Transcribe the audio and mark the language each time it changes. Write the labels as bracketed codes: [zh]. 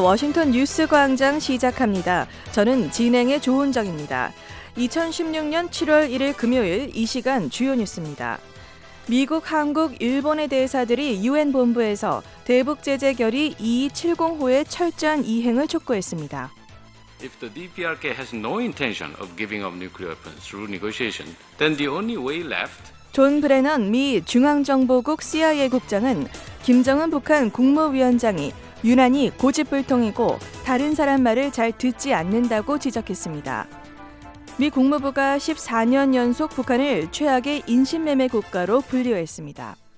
[ko] 워싱턴 뉴스 광장 시작합니다. 저는 진행의 조은정입니다. 2016년 7월 1일 금요일 이 시간 주요 뉴스입니다. 미국, 한국, 일본의 대사들이 UN 본부에서 대북 제재 결의 2270호의 철저한 이행을 촉구했습니다. [en] If the DPRK has no intention of giving up nuclear weapons through negotiation, then the only way left. [ko] 존 브래넌 미 중앙정보국 CIA 국장은 김정은 북한 국무위원장이 유난히 고집불통이고 다른 사람 말을 잘 듣지 않는다고 지적했습니다. 미 국무부가 14년 연속 북한을 최악의 인신매매 국가로 분류했습니다.